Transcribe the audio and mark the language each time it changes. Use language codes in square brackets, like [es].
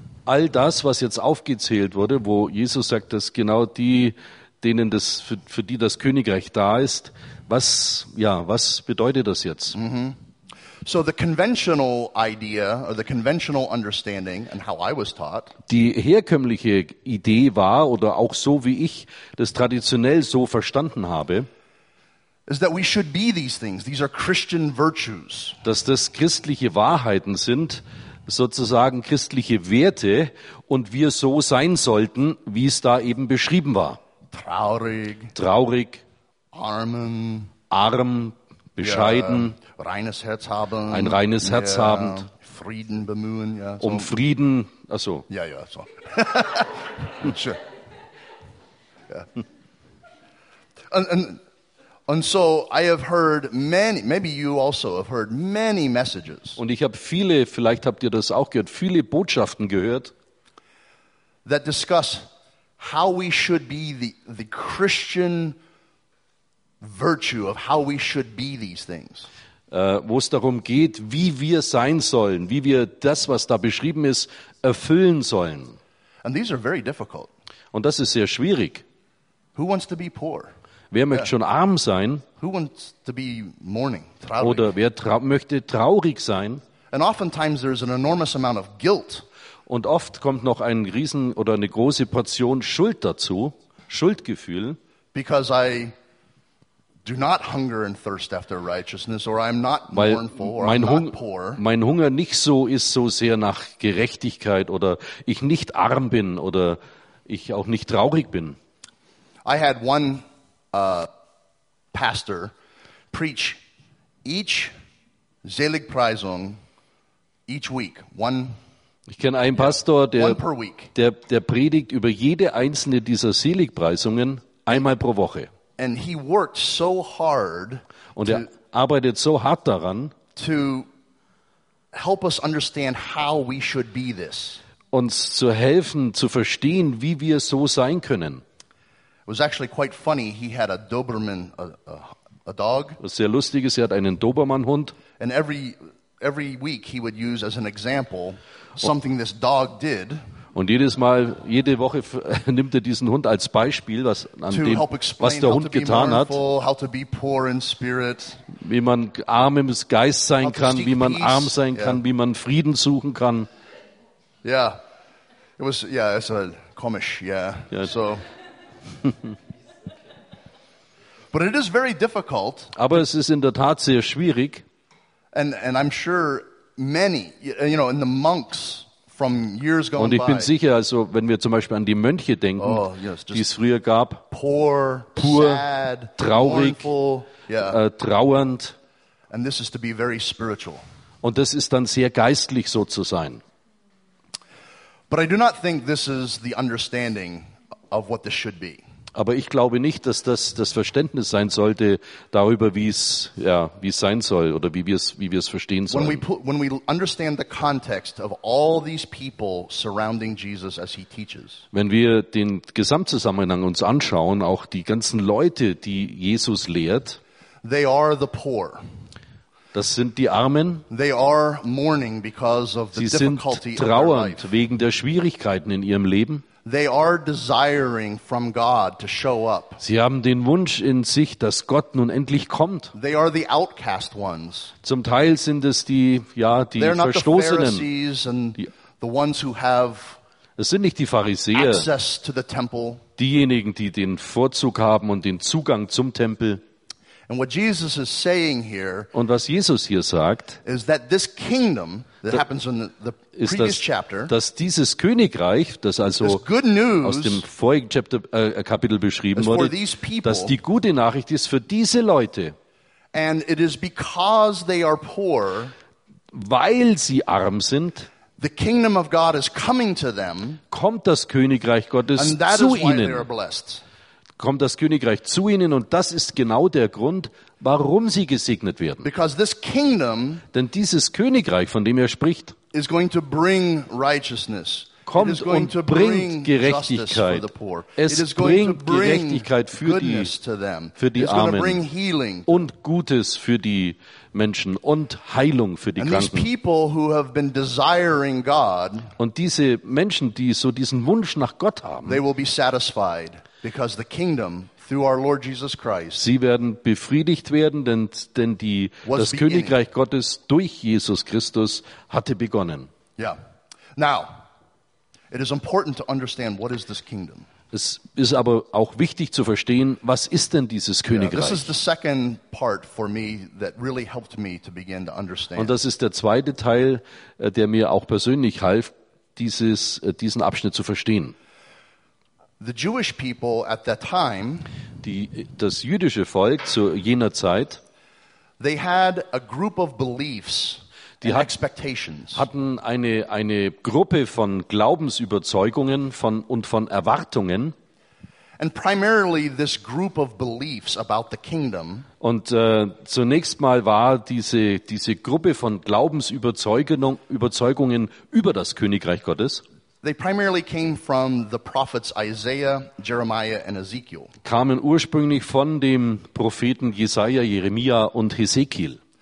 [de] All das, was jetzt aufgezählt wurde, wo Jesus sagt, dass genau die, denen das, für die das Königreich da ist, was bedeutet das jetzt? Mm-hmm. [en] So the conventional idea or the conventional understanding and how I was taught. [de] Die herkömmliche Idee war oder auch so wie ich das traditionell so verstanden habe. [en] Is that we should be these things. These are Christian virtues. [de] Dass das christliche Wahrheiten sind, sozusagen christliche Werte und wir so sein sollten, wie es da eben beschrieben war. Traurig. Armen. Arm. Bescheiden, ja, reines Herz haben, ein reines Herz, ja, habend, Frieden bemühen, ja, so. Um Frieden, also ja, so. Sure. Ja. [en] And so I have heard many, maybe you also have heard many messages. [de] Und ich habe viele, vielleicht habt ihr das auch gehört, viele Botschaften gehört, [en] that discuss how we should be the Christian virtue of how we should be these things. [de] Wo es darum geht, wie wir sein sollen, wie wir das, was da beschrieben ist, erfüllen sollen. [en] And these are very difficult. [de] Und das ist sehr schwierig. [en] Who wants to be poor? [de] Wer möchte schon arm sein? [en] Who wants to be mourning, [de] traurig? Oder wer möchte traurig sein? [en] And oftentimes there's an enormous amount of guilt. [de] Und oft kommt noch ein riesen oder eine große Portion Schuld dazu, Schuldgefühl. [en] Because I do not hunger and thirst after righteousness, or I'm not mournful, or I'm not poor. [de] Mein Hunger nicht so ist so sehr nach Gerechtigkeit, oder ich nicht arm bin, oder ich auch nicht traurig bin. [en] I had one pastor preach each Seligpreisung each week, one. [de] Ich kenne einen Pastor, der predigt über jede einzelne dieser Seligpreisungen einmal pro Woche. [en] And he worked so hard [de] und er arbeitet so hart daran, [en] to help us understand how we should be this. [de] Uns zu helfen, zu verstehen, wie wir so sein können. [en] It was actually quite funny. He had a Doberman, a dog. [de] Was sehr lustig ist, er hat einen Dobermannhund. [en] And every week he would use as an example something this dog did. [de] Und jedes Mal, jede Woche nimmt er diesen Hund als Beispiel, was an dem, was der Hund getan hat, wie man arm im Geist sein kann, wie man arm sein kann, wie man Frieden suchen kann. [en] Yeah, it was it's a komisch, so. But it is very difficult. [de] Aber es ist in der Tat sehr schwierig. [en] And I'm sure many, you know, in the monks. From years gone [de] und ich bin sicher, also wenn wir zum Beispiel an die Mönche denken, die es früher gab, [en] poor, sad, [de] traurig, [en] mournful, [de] trauernd. [en] And this is to be very spiritual. [de] Und das ist dann sehr geistlich, so zu sein. [en] But I do not think this is the understanding of what this should be. [de] Aber ich glaube nicht, dass das das Verständnis sein sollte darüber, wie es wie es sein soll oder wie wir es verstehen sollen. [en] When we understand the context of all these people surrounding Jesus as he teaches. [de] Wenn wir den Gesamtzusammenhang uns anschauen, auch die ganzen Leute, die Jesus lehrt. [en] They are the poor. [de] Das sind die Armen. [en] They are mourning because of the difficulty. [de] Sie sind trauernd wegen der Schwierigkeiten in ihrem Leben. [en] They are desiring from God to show up. [de] Sie haben den Wunsch in sich, dass Gott nun endlich kommt. [en] They are the outcast ones. [de] Zum Teil sind es die, die [en] They're [de] Verstoßenen. [en] The Pharisees and the ones who have [de] es sind nicht die Pharisäer, [en] access to the temple. [de] Diejenigen, die den Vorzug haben und den Zugang zum Tempel. [en] And what Jesus is saying here, [de] und was Jesus hier sagt, [en] is that this kingdom that happens in the previous chapter, [de] dass dieses Königreich, das also aus dem vorigen Chapter, Kapitel beschrieben wurde, dass die gute Nachricht ist für diese Leute. [en] And it is because they are poor, [de] weil sie arm sind, [en] the kingdom of God is coming to them, [de] kommt das Königreich Gottes [en] and that [de] zu [en] is why [de] ihnen. [en] They are blessed. [de] Kommt das Königreich zu ihnen und das ist genau der Grund, warum sie gesegnet werden. [en] Because this kingdom, [de] denn dieses Königreich, von dem er spricht, [en] is going to bring righteousness. [de] Kommt [en] is going [de] und [en] to bring [de] bringt Gerechtigkeit. Es [en] is [de] bringt [en] bring [de] Gerechtigkeit für die Armen [en] bring healing [de] und Gutes für die Menschen und Heilung für die [en] and [de] Kranken. [en] These people who have been desiring God, [de] und diese Menschen, die so diesen Wunsch nach Gott haben, [en] they will be satisfied. Because the kingdom through our Lord Jesus Christ. [de] Sie werden befriedigt werden, denn das Königreich Gottes durch Jesus Christus hatte begonnen. [en] Yeah. Now, it is important to understand what is this kingdom. [de] Es ist aber auch wichtig zu verstehen, was ist denn dieses Königreich? [en] This is the second part for me that really helped me to begin to understand. [de] Und das ist der zweite Teil, der mir auch persönlich half, diesen Abschnitt zu verstehen. [en] The Jewish people at that time, [de] das jüdische Volk zu jener Zeit, [en] they had a group of beliefs, [de] die [en] expectations. [de] Hatten eine Gruppe von Glaubensüberzeugungen von Erwartungen. [en] And primarily this group of beliefs about the kingdom. [de] Und zunächst mal war diese Gruppe von Glaubensüberzeugungen über das Königreich Gottes. [en] They primarily came from the prophets Isaiah, Jeremiah and Ezekiel. [de] Kamen ursprünglich von dem Propheten Jesaja, Jeremia und Hesekiel.